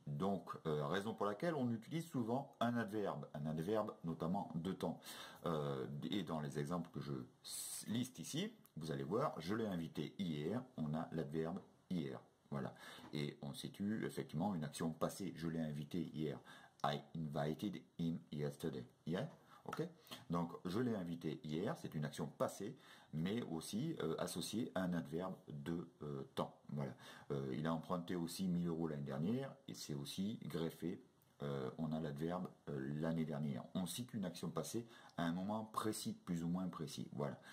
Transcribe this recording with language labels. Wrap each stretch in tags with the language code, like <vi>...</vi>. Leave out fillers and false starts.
<fr>Donc, raison pour laquelle on utilise souvent un adverbe notamment de temps. Et dans les exemples que je liste ici, vous allez voir, je l'ai invité hier, on a l'adverbe hier. Voilà, et on situe effectivement une action passée, je l'ai invité hier.</fr> <en>I invited him yesterday. Yeah? Ok?</en> <fr>Donc, je l'ai invité hier, c'est une action passée, mais aussi associée à un adverbe de temps. Voilà. Il a emprunté aussi 1000 euros l'année dernière, et c'est aussi greffé, on a l'adverbe l'année dernière. On cite une action passée à un moment précis, plus ou moins précis. Voilà.</fr>